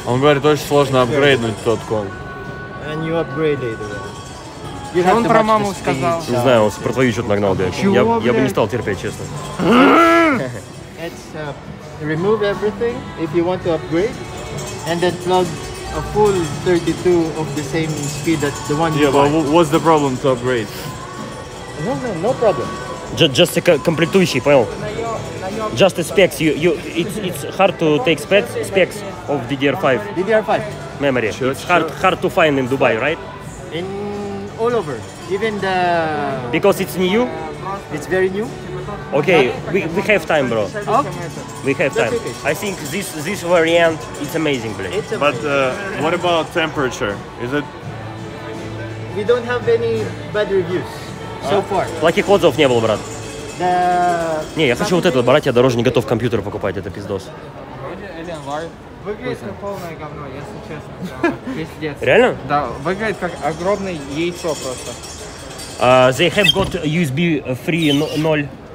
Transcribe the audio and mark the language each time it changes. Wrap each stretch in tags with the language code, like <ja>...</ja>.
<ru>Он говорит, очень сложно апгрейднуть тот ком.</ru> <en>And you upgrade later on.</en> <ru>Он про маму сказал. Не знаю, он про твою что-то нагнал, блядь. Я бы не стал терпеть, честно.</ru> <en>It's remove everything if you want to upgrade. And then plug a full 32 of the same speed that the one you bought. Yeah, but what's the problem to upgrade? No problem. Just a</en> <ru>комплектующий, понял?</ru> <en>Just the specs. It's hard to take specs of DDR5. DDR5. Memory. It's hard to find in Dubai, right? In all over. Even the... Because it's new? It's very new. Okay, we have time, bro. We have time. I think this variant is amazing, bro. But what about temperature? Is it? We don't have any bad reviews so far.</en> <ru>Плохих отзывов не было, брат. Не, я хочу вот этот брать, я дороже не готов компьютер покупать, это пиздос. Выглядит как полное говно, если честно. Пиздец. Реально? Да, выглядит как огромное яйцо просто.</ru> <en>They have got USB 3.0.</en>